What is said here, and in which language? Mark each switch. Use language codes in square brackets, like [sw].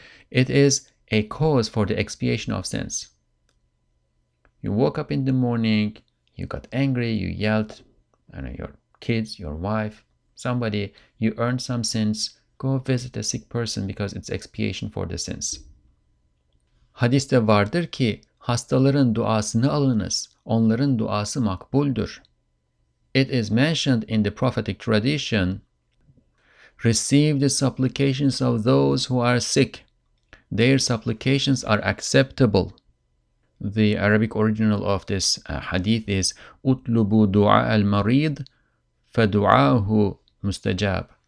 [en] It is a cause for the expiation of sins. You woke up in the morning, you got angry, you yelled, and your kids, your wife, somebody, you earned some sins. Go visit a sick person because it's expiation for the sins. [tr] Hadiste vardır ki hastaların duasını alınız, onların duası makbuldür. [en] It is mentioned in the prophetic tradition, receive the supplications of those who are sick. Their supplications are acceptable. The Arabic original of this hadith is [ar] utlubu du'a al-marid fa du'ahu mustajab.